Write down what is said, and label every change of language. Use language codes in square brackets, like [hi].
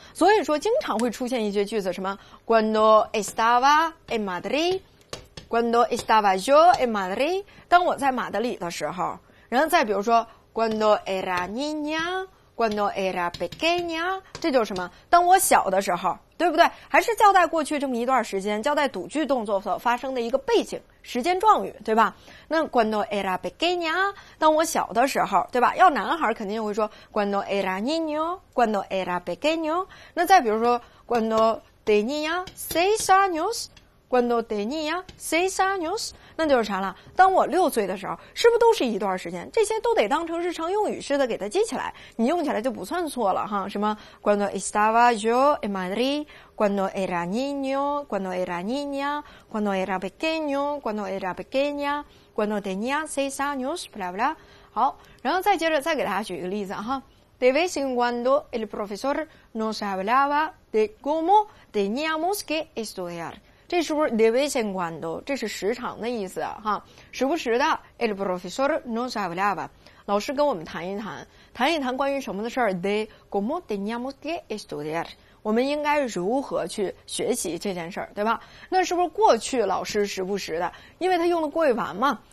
[zh] 所以说经常会出现一些句子，什么 [es] cuando estaba en Madrid， [zh] cuando estaba yo en Madrid， 当我在马德里的时候，然后再比如说 [es] cuando era niña, cuando era pequeña, [zh] 这就是什么？当我小的时候，对不对？还是交代过去这么一段时间，交代赌具动作所发生的一个背景时间状语，对吧？那 [es] cuando era pequeña, [zh] 当我小的时候，对吧？要男孩肯定会说 [es] cuando era niño, cuando era pequeño。 [zh] 那再比如说 [es] cuando tenía seis años, [zh] cuando tenía seis años， 那就是啥了？当我六岁的时候，是不是都是一段时间？这些都得当成日常用语似的给它记起来，你用起来就不算错了哈。 [es] 什么 cuando estaba yo en Madrid， cuando era niño， cuando era niña， cuando era pequeño， cuando era pequeña， cuando tenía seis años， bla bla。 [zh] 好，然后再接着再给大家举一个例子哈。 [es] De vez en cuando el profesor nos hablaba de cómo teníamos que estudiar。 [zh] 这是不是 [es] de vez en cuando？ [zh] 这是时常的意思哈，时不时的。 [es] El profesor nos hablaba， [zh] 老师跟我们谈一谈，谈一谈关于什么的事儿 ？ [es] De cómo teníamos que estudiar， [zh] 我们应该如何去学习这件事儿，对吧？那是不是过去老师时不时的，因为他用的过于完嘛？